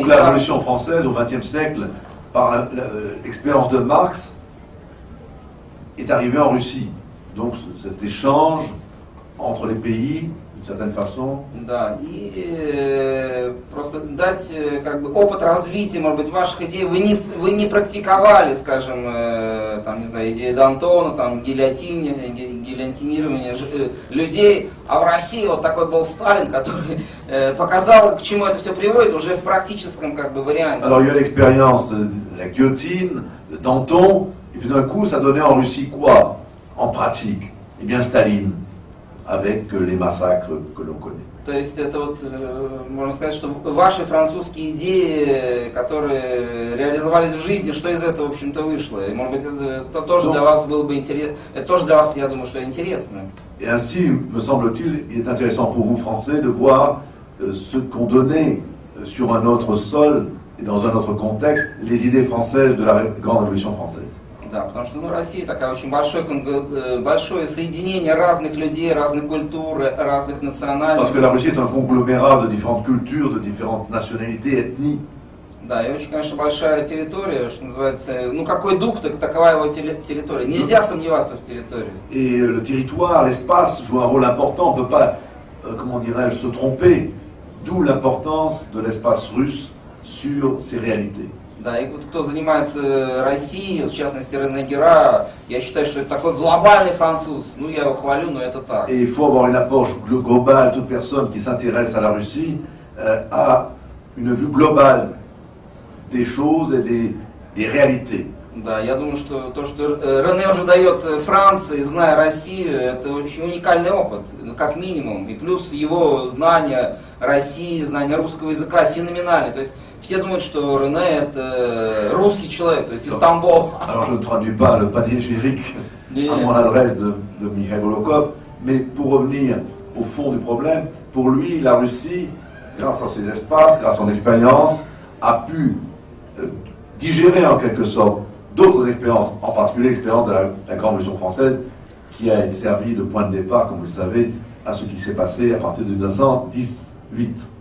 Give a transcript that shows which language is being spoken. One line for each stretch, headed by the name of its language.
French: Donc la révolution française au 20e siècle par l'expérience de Marx est arrivée en Russie. Donc cet échange entre les pays certaines façons.
Russian: Да, и просто дать как бы опыт развития, может быть, ваших идей. Вы не практиковали, скажем, там, не знаю, идеи Д'Антона, там, гильотинирование людей. А в России вот такой был Сталин, который показал, к чему это все приводит, уже в практическом как бы варианте.
French: Alors, il y a l'expérience de la guillotine, de Danton, et puis d'un coup, ça donnait en Russie quoi, en pratique? Eh bien, Staline. Avec les massacres que l'on connaît.
Russian: То есть это вот можно сказать, что ваши французские идеи, которые реализовались в жизни, что из этого, в общем-то, вышло? И, может быть, это тоже для вас было бы интересно. Это тоже для вас, я думаю, что интересно.
French: Et ainsi, me semble-t-il, il est intéressant pour vous, Français, de voir ce qu'ont donné sur un autre sol et dans un autre contexte les idées françaises de la Grande Révolution française.
Russian: Да, потому что, ну, Россия такая очень большое соединение разных людей, разных культур, разных национальностей.
French: Parce que la Russie est un conglomérat de différentes cultures, de différentes nationalités, ethnies.
Russian: Да, и очень, конечно, большая территория, что называется, ну, какой дух, так такова его территория. Нельзя сомневаться в территории.
French: Et le territoire, l'espace joue un rôle important, on peut pas, comment dirais-je, se tromper. D'où l'importance de l'espace russe sur ces réalités.
Russian: Да, и вот кто занимается Россией, в частности Рене Гера, я считаю, что это такой глобальный француз. Ну, я его хвалю, но это так.
French: Et il faut avoir une approche globale. Toute personne qui s'intéresse à la Russie a une vue globale des choses et des réalités.
Russian: Да, я думаю, что то, что Рене уже дает Франции, зная Россию, это очень уникальный опыт, как минимум. И плюс его знания России, знания русского языка феноменальны. То есть все думают, что Рене – это русский человек, то есть из Тамбова.
French: Alors, je ne traduis pas le panégyrique à mon adresse de Mikhail Bulgakov, mais pour revenir au fond du problème, pour lui, la Russie, grâce à ses espaces, grâce à son expérience, a pu digérer en quelque sorte d'autres expériences, en particulier l'expérience de la Grande Révolution française, qui a été servi de point de départ, comme vous le savez, à ce qui s'est passé à partir de 1918.